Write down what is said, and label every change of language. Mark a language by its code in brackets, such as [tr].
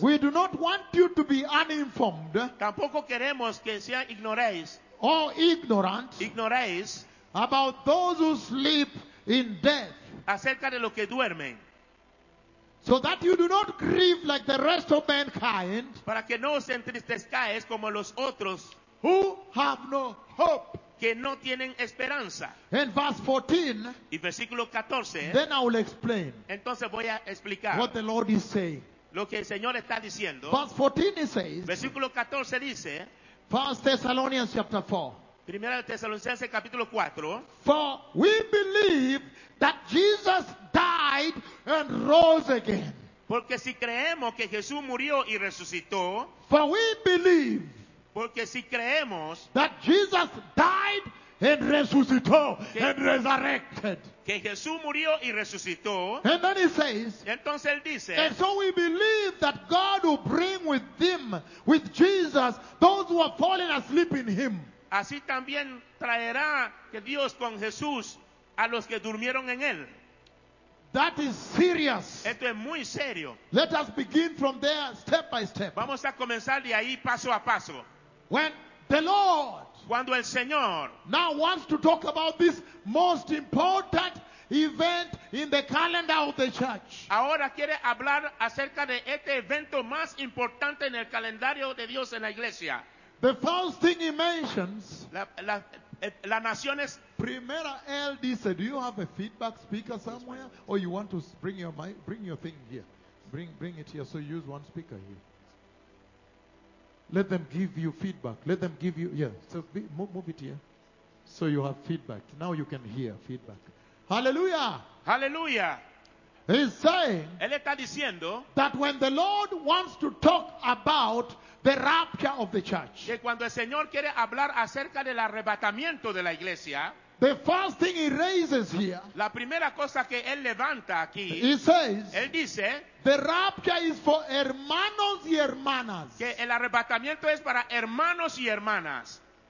[en] we do not want you to be uninformed. [es] Tampoco queremos que sean ignoréis. [en] Or ignorant. [es] Ignoréis [en] about those who sleep in death. [es] Acerca de lo que duermen. [en] So that you do not grieve like the rest of mankind. [es] Para que no os entristezcáis como los otros. [en] Who have no hope. [es] Que no tienen esperanza. [en] In verse 14. [es] Y versículo 14. [en] Then I will explain. [es] Entonces voy a explicar. [en] What the Lord is saying. [es] Lo que el Señor está diciendo. [en] Verse 14 it says. [es] Versículo 14 dice. [en] First Thessalonians chapter 4. [es] Primera de Tesalonicenses capítulo 4. [en] For we believe that Jesus died and rose again. [es] Porque si creemos que Jesús murió y resucitó. [en] For we believe. [es] Porque si creemos [en] that Jesus died and resucitó and resurrected. [es] Que Jesús murió y resucitó. [en] And then he says. [es] Entonces él dice. [en] And so we believe that God will bring with him, with Jesus, those who have fallen asleep in him. [es] Así también traerá que Dios con Jesús a los que durmieron en él. [en] That is serious. [es] Esto es muy serio. [en] Let us begin from there step by step. [es] Vamos a comenzar de ahí paso a paso. [en] When the Lord [es] cuando el Señor [en] now wants to talk about this most important event in the calendar of the church. [es] Ahora quiere hablar acerca de este evento más importante en el calendario de Dios en la iglesia. [en] The first thing he mentions [es] la nación es Primera L. [en] Dice, do you have a feedback speaker somewhere, or you want to bring your mic, bring your thing here, bring it here. So use one speaker here. Let them give you feedback. Let them give you yeah. So move it here, so you have feedback. Now you can hear feedback. Hallelujah. Hallelujah. He's saying. [es] Él está diciendo [en] that when the Lord wants to talk about the rapture of the church. [es] Que cuando el Señor quiere hablar acerca del arrebatamiento de la iglesia. [en] The first thing he raises here. [es] La primera cosa que él levanta aquí. [en] He says. [es] Él dice. [en] The rapture is for [es] hermanos y hermanas. Que el arrebatamiento es para hermanos y hermanas.